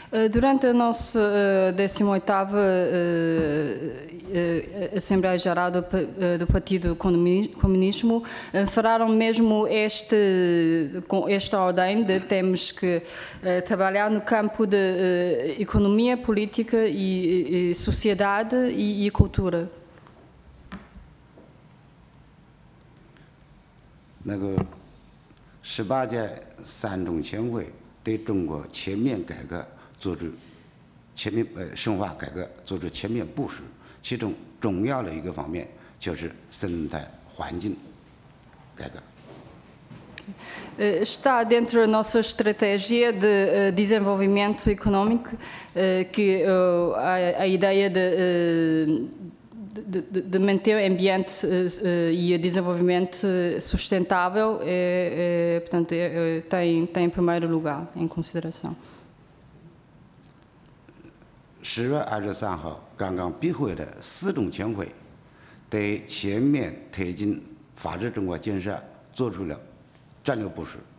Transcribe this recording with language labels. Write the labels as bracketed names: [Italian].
[Portuguese] Durante a nossa 18ª Assembleia Geral do Partido Comunismo, falaram mesmo esta ordem de temos que trabalhar no campo de economia, política e sociedade e cultura. O 18ª Assembleia Geral do Partido Comunismo [Chinese] 做出全面深化改革，做出全面部署，其中重要的一个方面就是生态环境改革。 [Portuguese] Está dentro da nossa estratégia de desenvolvimento económico que a ideia de manter o ambiente e o desenvolvimento sustentável portanto, tem primeiro lugar em consideração. [Chinese] 十月二十三号刚刚闭会的四中全会，对全面推进法治中国建设做出了战略部署。